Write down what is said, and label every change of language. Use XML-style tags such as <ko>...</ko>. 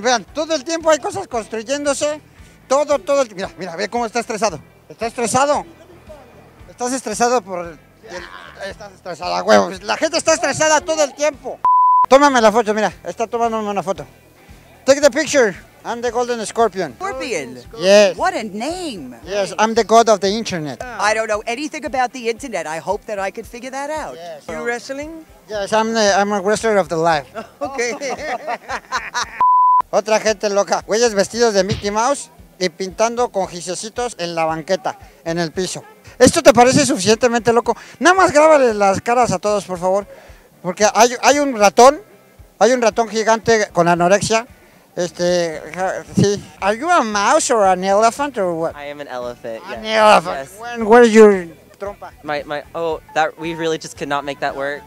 <es>Vean, todo el tiempo hay cosas construyéndose. Todo el tiempo. Mira, ve cómo está estresado. Está estresado. Estás estresado por. Estás estresada, huevo. La gente está estresada todo el tiempo. Tómame la foto, mira, está tomándome una foto.</es> <en>Take the picture. I'm the Golden Scorpion. Scorpion? Yes. What a name. Yes, I'm the god of the internet. I don't know anything about the internet. I hope that I could figure that out. Yes. You wrestling? Yes, I'm a wrestler of the life. Okay.</en> <es>Otra gente loca. Güeyes vestidos de Mickey Mouse y pintando con gisecitos en la banqueta, en el piso. ¿Esto te parece suficientemente loco? Nada más grábales las caras a todos, por favor. Porque hay un ratón gigante con anorexia.</es> <en>See, are you a mouse or an elephant or what? I am an elephant. An elephant. Yes. Where is your trompa? My. Oh, that we really just could not make that work.</en>